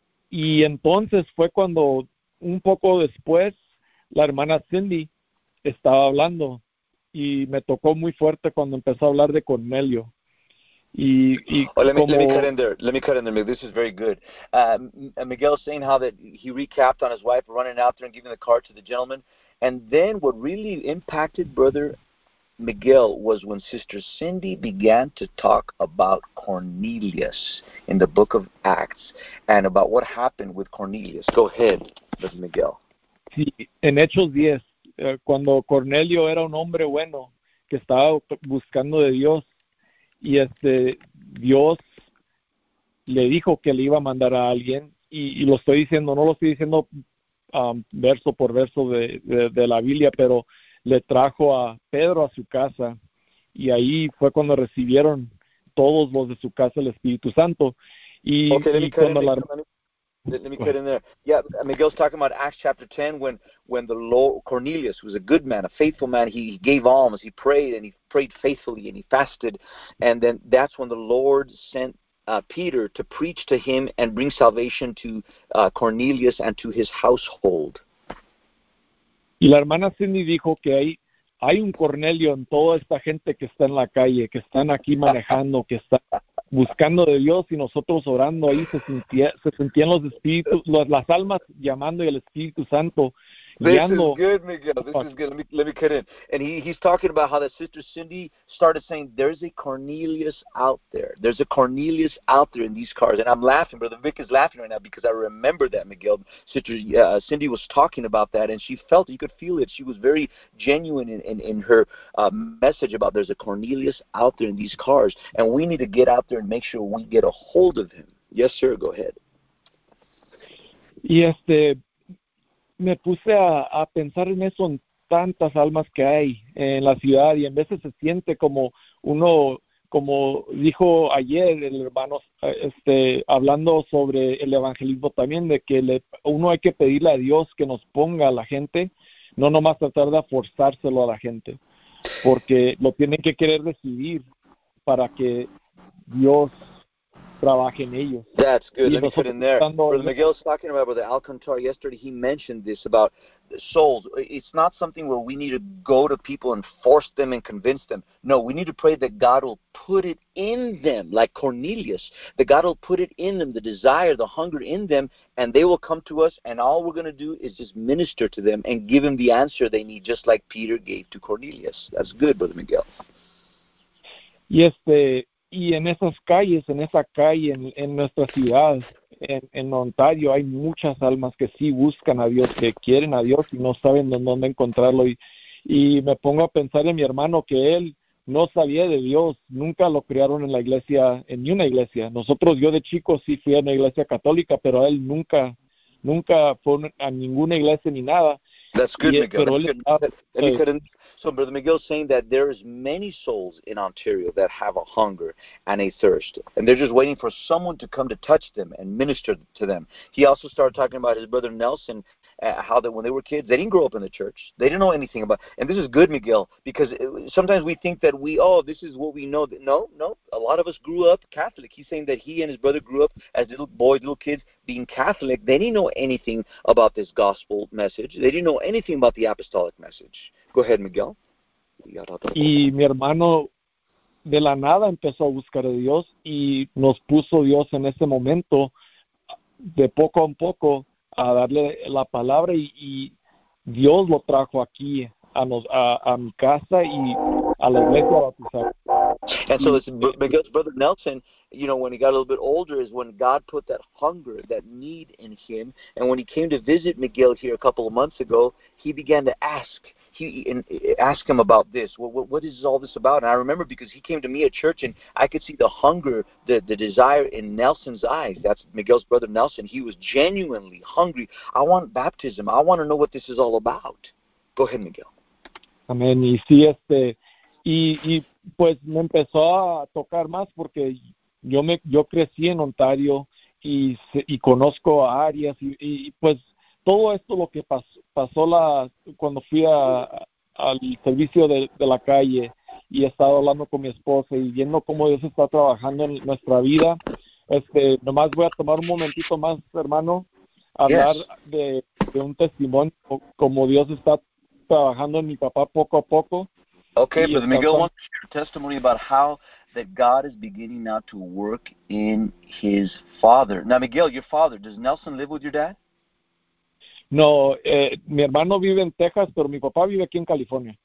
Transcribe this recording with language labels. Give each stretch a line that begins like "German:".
Spanish: Y entonces fue cuando un poco después la hermana Cindy estaba hablando y me tocó muy fuerte cuando empezó a hablar de Cornelio.
English: Let me cut in there. This is very good. Miguel's saying how that he recapped on his wife running out there and giving the card to the gentleman. And then what really impacted Brother Miguel was when Sister Cindy began to talk about Cornelius in the book of Acts and about what happened with Cornelius. Go ahead, Brother Miguel.
Spanish: Sí, en Hechos 10, cuando Cornelio era un hombre bueno que estaba buscando de Dios, y Dios le dijo que le iba a mandar a alguien y lo estoy diciendo, no lo estoy diciendo verso por verso de la Biblia, pero le trajo a Pedro a su casa y ahí fue cuando recibieron todos los de su casa el Espíritu Santo.
English: Yeah, Miguel's talking about Acts chapter 10 when the Lord Cornelius, who was a good man, a faithful man, he gave alms, he prayed, and he prayed faithfully, and he fasted, and then that's when the Lord sent Peter to preach to him and bring salvation to Cornelius and to his household.
Spanish: Y la hermana Cindy dijo que hay un Cornelio en toda esta gente que está en la calle, que están aquí manejando, que está buscando de Dios, y nosotros orando ahí se sentían los espíritus, las almas llamando, y el Espíritu Santo guiando.
English: This is good, Miguel. This is good. Let me cut in. And he's talking about how that sister Cindy started saying, there's a Cornelius out there. There's a Cornelius out there in these cars. And I'm laughing. Brother Vic is laughing right now because I remember that, Miguel. Sister Cindy was talking about that, and she felt it. You could feel it. She was very genuine in her message about there's a Cornelius out there in these cars, and we need to get out there and make sure we get a hold of him. Yes, sir. Go ahead.
Spanish: Yes, me puse a pensar en eso, en tantas almas que hay en la ciudad, y en veces se siente como uno, como dijo ayer el hermano, hablando sobre el evangelismo también, de que uno hay que pedirle a Dios que nos ponga a la gente, no nomás tratar de forzárselo a la gente, porque lo tienen que querer recibir para que Dios trabaje en ellos.
English: That's good. Let me put in there. Brother Miguel's talking about Brother Alcantar yesterday. He mentioned this about souls. It's not something where we need to go to people and force them and convince them. No, we need to pray that God will put it in them, like Cornelius, that God will put it in them, the desire, the hunger in them, and they will come to us, and all we're going to do is just minister to them and give them the answer they need, just like Peter gave to Cornelius. That's good, Brother Miguel.
Spanish: Yes, y en esas calles, en esa calle, en nuestra ciudad, en Ontario, hay muchas almas que sí buscan a Dios, que quieren a Dios y no saben dónde encontrarlo. Y me pongo a pensar en mi hermano, que él no sabía de Dios, nunca lo criaron en la iglesia, en ni una iglesia. Nosotros, yo de chico sí fui a una iglesia católica, pero él nunca, nunca fue a ninguna iglesia ni nada.
English: That's good, Miguel.
Spanish: Pero él estaba,
English: So Brother Miguel's saying that there is many souls in Ontario that have a hunger and a thirst, and they're just waiting for someone to come to touch them and minister to them. He also started talking about his brother Nelson, how that when they were kids, they didn't grow up in the church. They didn't know anything about, and this is good, Miguel, because sometimes we think that this is what we know. No, a lot of us grew up Catholic. He's saying that he and his brother grew up as little boys, little kids, being Catholic. They didn't know anything about this gospel message. They didn't know anything about the apostolic message. Go ahead, Miguel.
Spanish: Y mi hermano de la nada empezó a buscar a Dios y nos puso Dios en ese momento de poco a poco a darle la palabra, y Dios lo trajo aquí a mi casa y a la iglesia bautizada.
English: And so it's Miguel's brother Nelson, you know, when he got a little bit older is when God put that hunger, that need in him. And when he came to visit Miguel here a couple of months ago, he began to ask. Ask him about this. What is all this about? And I remember because he came to me at church, and I could see the hunger, the desire in Nelson's eyes. That's Miguel's brother Nelson. He was genuinely hungry. I want baptism. I want to know what this is all about. Go ahead, Miguel.
Spanish: Amén. Y sí, y pues me empezó a tocar más porque yo crecí en Ontario y conozco áreas y pues. Todo esto lo que pasó cuando fui al servicio de la calle y he estado hablando con mi esposa y viendo cómo Dios está trabajando en nuestra vida. Nomás voy a tomar un momentito más, hermano, hablar de un testimonio, como Dios está trabajando en mi papá poco a poco.
English: Okay, y Brother Miguel, want to share a testimony about how that God is beginning now to work in his father. Now, Miguel, your father, does Nelson live with your dad?
Spanish: No, mi hermano vive en Texas, pero mi papá vive aquí en California.